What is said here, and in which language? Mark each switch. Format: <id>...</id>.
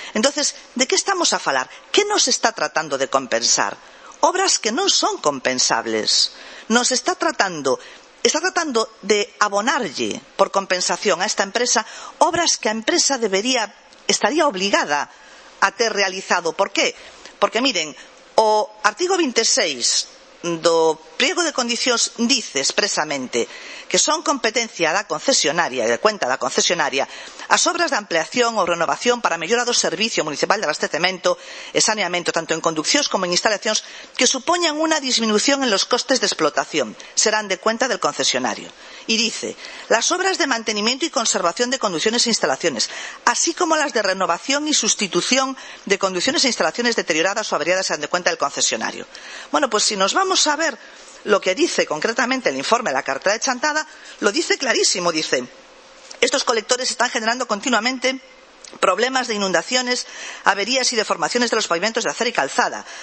<gl>Entonces, ¿de que estamos a falar? ¿Que nos está tratando de compensar? Obras que non son compensables. Nos está tratando, de abonarlle por compensación a esta empresa obras que a empresa debería, estaría obligada a ter realizado. ¿Por qué? Porque miren, o artigo 26 do pliego de condicións dice expresamente que son competencia da concesionaria, de cuenta da concesionaria, as obras de ampliación ou renovación para mellora do servicio municipal de abastecemento e saneamento, tanto en conduccións como en instalacións, que supoñan unha disminución en los costes de explotación,</gl> <es>serán de cuenta del concesionario. Y dice, las obras de mantenimiento y conservación de conducciones e instalaciones, así como las de renovación y sustitución de conducciones e instalaciones deterioradas o averiadas, serán de cuenta del concesionario. Bueno, pues si nos vamos a ver lo que dice concretamente el informe de la cartera de chantada, lo dice clarísimo, dice, estos colectores están generando continuamente problemas de inundaciones, averías y deformaciones de los pavimentos de acero y calzada.</es>